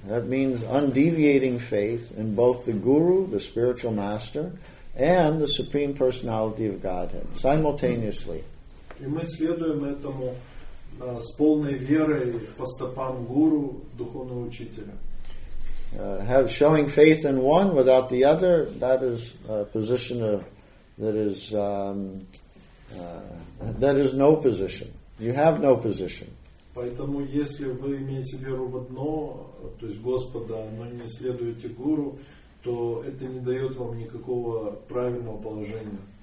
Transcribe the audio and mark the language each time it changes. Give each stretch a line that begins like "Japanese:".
English: That means undeviating faith in both the guru, the spiritual master, and the Supreme Personality of Godhead, simultaneously.
Russian: И мы следуем этому с полной верой по стопам гуру, духовного учителя.
English: Showing faith in one without the other, that is a position of, that is no position. You have no position.
Russian: Поэтому если вы имеете веру в одно, то есть Господа, но не следуете гуру, то это не дает вам никакого правильного положения.